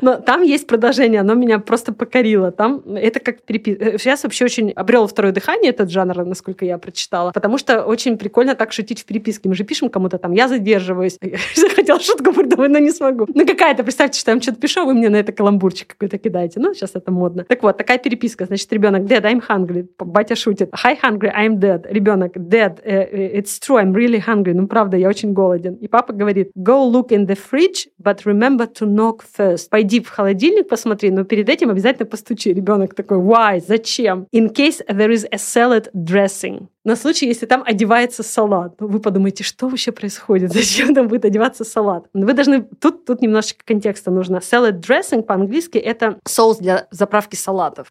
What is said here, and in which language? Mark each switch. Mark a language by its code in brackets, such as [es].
[ru] Но там есть продолжение, оно меня просто покорило. Там это как переписка. Сейчас вообще очень обрел второе дыхание этот жанр, насколько я прочитала, потому что очень прикольно так шутить в переписке. Мы же пишем кому-то там: «Я задерживаюсь». Захотела шутку придумать, но не смогу. Ну какая-то, представьте, что я вам что-то пишу, вы мне на это каламбурчик какой-то кидаете. Ну, сейчас это модно. Так вот, такая переписка. Значит, ребенок: [en] «Dad, I'm hungry». [ru] Батя шутит: [en] «Hi, hungry, I'm dead». [ru] Ребенок: [en] «Dad, it's true, I'm really hungry». [ru] Ну, правда, я очень голоден. И папа говорит: [en] «Go look in the fridge, but remember to knock first». [ru] Пойди в холодильник, посмотри, но перед этим обязательно постучи. Ребенок такой: [en] «Why? [ru] Зачем?» [en] «In case there is a salad dressing». [ru] На случай, если там одевается салат. Ну, вы подумаете, что вообще происходит? Зачем там будет одеваться салат? Вы должны... Тут немножечко контекста нужно. Salad dressing по-английски — это соус для заправки салатов.